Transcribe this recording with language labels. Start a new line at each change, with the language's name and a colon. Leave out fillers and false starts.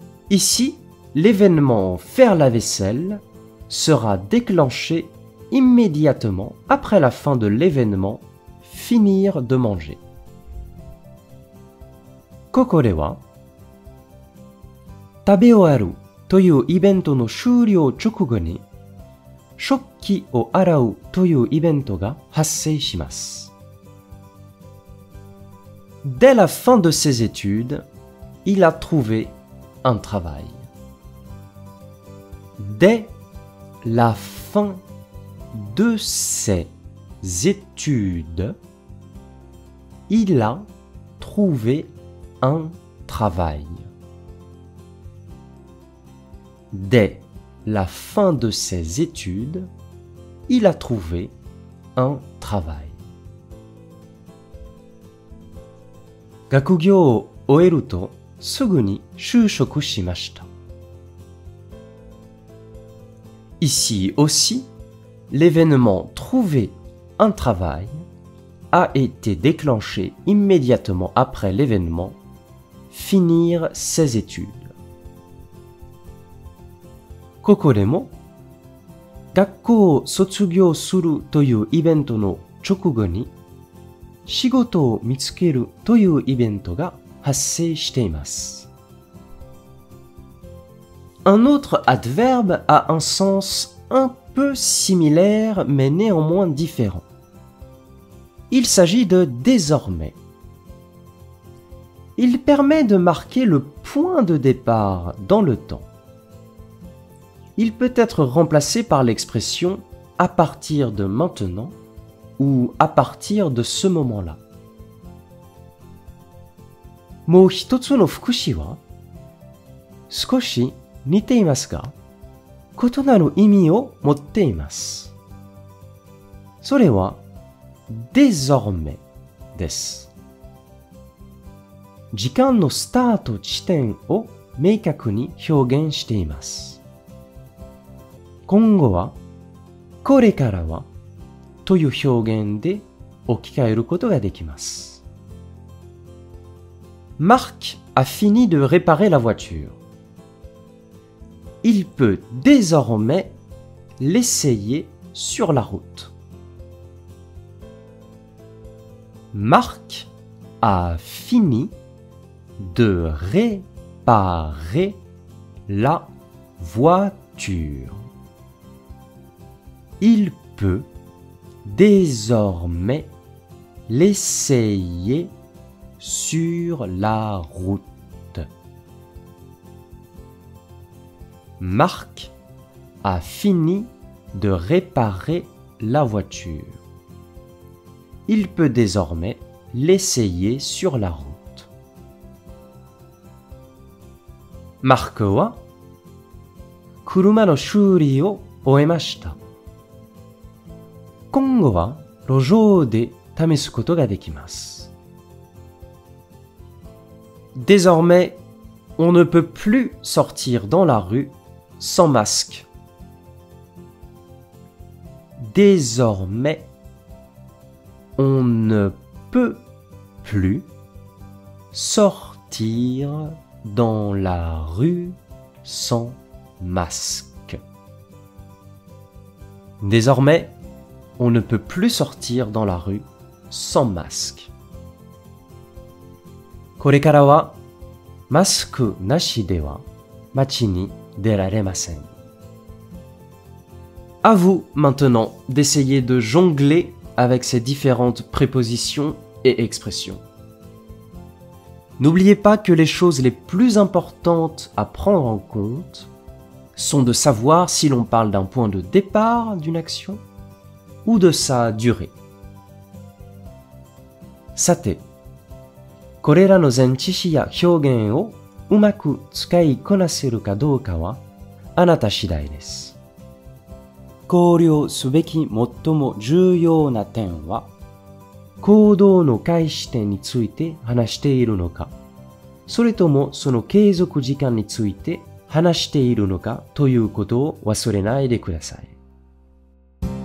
French: Ici, l'événement faire la vaisselle sera déclenché immédiatement après la fin de l'événement finir de manger.
Japanese: ここでは、食べ終わるというイベントの終了直後に、食器を洗うというイベントが発生します。
French: Dès la fin de ses études, il a trouvé un travail. Dès la fin de ses études, il a trouvé un travail. Dès la fin de ses études, il a trouvé un travail.
Japanese: 学業を終えるとすぐに就職しました。
French: Ici aussi, l'événement trouver un travail a été déclenché immédiatement après l'événement finir ses études.
Japanese: ここでも、学校を卒業するというイベントの直後に、仕事を見つけるというイベントが発生しています。
French: Un autre adverbe a un sens un peu similaire mais néanmoins différent. Il s'agit de « désormais ». Il permet de marquer le point de départ dans le temps. Il peut être remplacé par l'expression « à partir de maintenant » ou « à partir de ce moment-là ».
Japanese: もう一つの副詞は、少し似ていますが、異なる意味を持っています。それは、désormais です。時間のスタート地点を明確に表現しています。今後は、これからはという表現で置き換えることができます。
French: Marc a fini de réparer la voiture. Il peut désormais l'essayer sur la route. Marc a fini de réparer la voiture. Il peut désormais l'essayer sur la route. Marc a fini de réparer la voiture. Il peut désormais l'essayer sur la route.
Japanese: Marc は車の修理を終えました。今後は路上で試すことができます。
French: Désormais, on ne peut plus sortir dans la rue sans masque. Désormais, on ne peut plus sortir dans la rue sans masque. Désormais, on ne peut plus sortir dans la rue sans masque.
Japanese: これからはマスクなしでは街に出られません。
French: À vous maintenant d'essayer de jongler avec ces différentes prépositions et expressions. N'oubliez pas que les choses les plus importantes à prendre en compte sont de savoir si l'on parle d'un point de départ d'une action ou de sa durée.
Japanese: さて、これらの前置詞や表現をうまく使いこなせるかどうかはあなた次第です。考慮すべき最も重要な点は、行動の開始点について話しているのか、それともその継続時間について話しているのかということを忘れないでください。